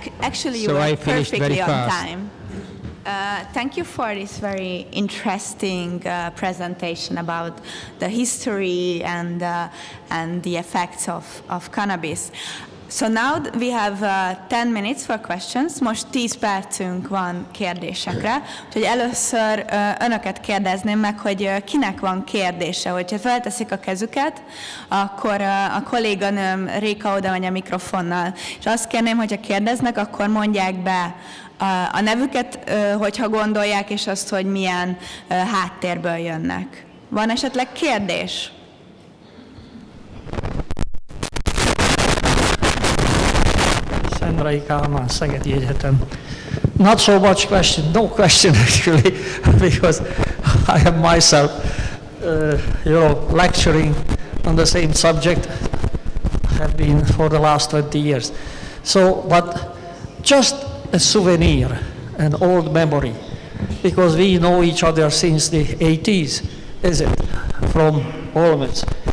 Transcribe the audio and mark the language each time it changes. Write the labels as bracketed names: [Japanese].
[English] Actually, you were perfectly very fast. On time. Thank you for this very interesting presentation about the history and the effects of cannabis. So now we have 10 minutes for questions. [Hungarian] Most 10 percünk van kérdésekre. Úgyhogy először önöket kérdezném meg, hogy kinek van kérdése. Hogyha felteszik a kezüket, akkor a kolléganőm Réka oda megy a mikrofonnal. És azt kérném, hogyha kérdeznek, akkor mondják be a nevüket, hogyha gondolják, és azt, hogy milyen háttérből jönnek. Van esetleg kérdés? Szendrai Kálmán, Szegedi Egyetem. [English] Not so much question, no question actually, because I am myself you know, lecturing on the same subject, have been for the last 20 years. So, but just a souvenir, an old memory, because we know each other since the 80s, is it, from Olmütz.